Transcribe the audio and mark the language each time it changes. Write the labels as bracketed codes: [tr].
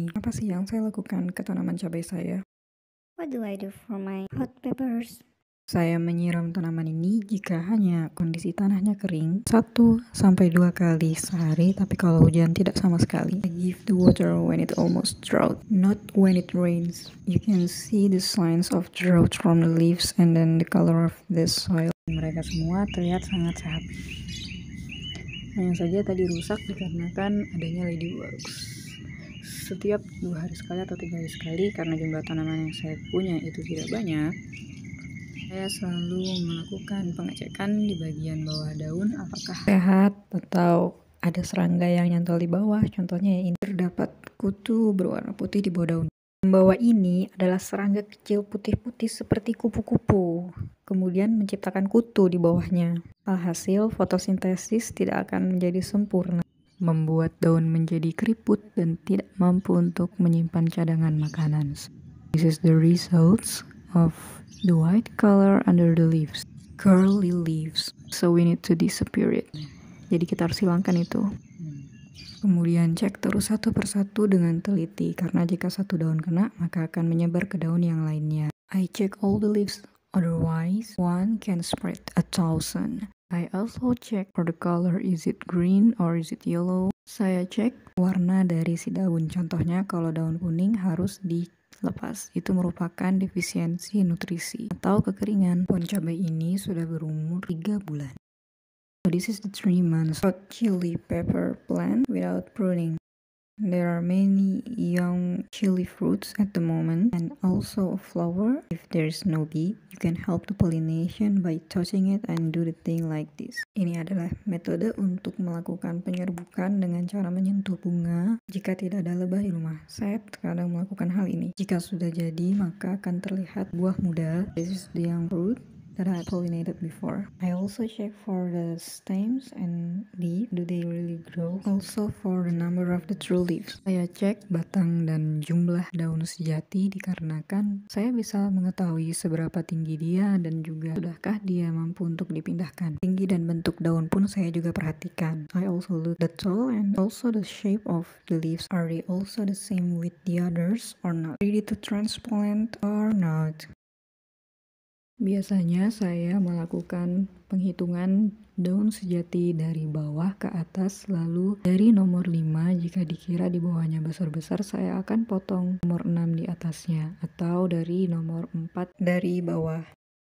[id] Apa sih yang saya lakukan ke tanaman cabai saya? [en] What do I do for my hot peppers? [id] Saya menyiram tanaman ini jika hanya kondisi tanahnya kering 1-2 kali sehari, tapi kalau hujan tidak sama sekali. [en] I give the water when it almost drought, not when it rains. You can see the signs of drought from the leaves and then the color of the soil. [id] Mereka semua terlihat sangat sehat. Yang saja tadi rusak dikarenakan adanya ladybugs. Setiap 2 hari sekali atau 3 hari sekali, karena jumlah tanaman yang saya punya itu tidak banyak, saya selalu melakukan pengecekan di bagian bawah daun apakah sehat atau ada serangga yang nyantol di bawah. Contohnya ini terdapat kutu berwarna putih di bawah daun. Yang bawah ini adalah serangga kecil putih-putih seperti kupu-kupu, kemudian menciptakan kutu di bawahnya. Alhasil, fotosintesis tidak akan menjadi sempurna, membuat daun menjadi keriput dan tidak mampu untuk menyimpan cadangan makanan. [en] This is the results of the white color under the leaves, curly leaves. So we need to disappear it. [id] Jadi kita harus hilangkan itu. Kemudian cek terus satu persatu dengan teliti, karena jika satu daun kena, maka akan menyebar ke daun yang lainnya. [en] I check all the leaves, otherwise one can spread 1,000. I also check for the color, is it green or is it yellow? [id] Saya cek warna dari si daun, contohnya kalau daun kuning harus dilepas. Itu merupakan defisiensi nutrisi atau kekeringan. Pohon cabai ini sudah berumur 3 bulan. [en] So this is the 3 months hot chili pepper plant without pruning. There are many young chili fruits at the moment and also a flower. If there is no bee, you can help the pollination by touching it and do the thing like this. [id] Ini adalah metode untuk melakukan penyerbukan dengan cara menyentuh bunga jika tidak ada lebah di rumah. Saya terkadang melakukan hal ini. Jika sudah jadi, maka akan terlihat buah muda. [en] This is the young fruit that I pollinated before. I also check for the stems and leaves. Do they really grow? Also for the number of the true leaves. [id] Saya cek batang dan jumlah daun sejati, dikarenakan saya bisa mengetahui seberapa tinggi dia dan juga sudahkah dia mampu untuk dipindahkan. Tinggi dan bentuk daun pun saya juga perhatikan. [en] I also look the tall and also the shape of the leaves. Are they also the same with the others or not? Ready to transplant or not? [id] Biasanya saya melakukan penghitungan daun sejati dari bawah ke atas, lalu dari nomor 5 jika dikira di bawahnya besar-besar, saya akan potong nomor 6 di atasnya, atau dari nomor 4 dari bawah.